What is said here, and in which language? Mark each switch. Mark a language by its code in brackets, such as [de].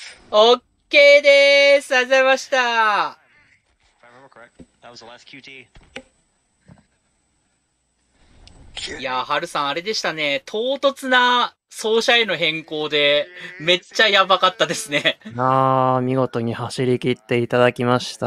[ja] オッケーでーす。ありがとうございました。 [en] If I remember correct, that was the last QT. [ja] いやー、ハルさん、あれでしたね。唐突な走者への変更で、めっちゃやばかったですね。あー、見事に走り切っていただきました。